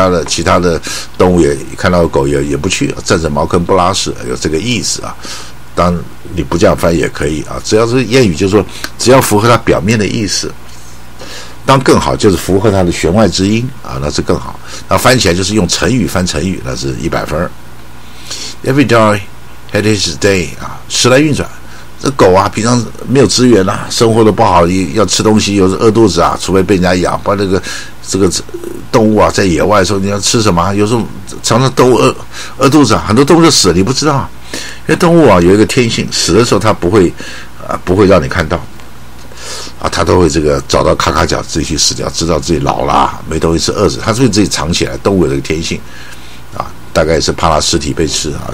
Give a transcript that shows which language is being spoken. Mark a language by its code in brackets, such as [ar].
[zh] 其他的动物也看到狗也不去，站着茅坑不拉屎，有这个意思啊。当你不这样翻也可以啊，只要是谚语，就是说只要符合它表面的意思，当更好就是符合它的弦外之音啊，那是更好。那翻起来就是用成语翻成语，那是100分。 [en] Every dog had his day 啊， [zh] 时来运转。这狗啊平常没有资源啊，生活的不好，要吃东西又是饿肚子啊，除非被人家养，把这个动物啊在野外的时候你要吃什么，有时候常常都饿肚子啊，很多动物就死了，你不知道。因为动物啊有一个天性，死的时候它不会让你看到啊，它都会这个找到咔咔角自己去死掉，知道自己老了没东西吃，饿死它是会自己藏起来，动物有这个天性啊，大概是怕它尸体被吃啊。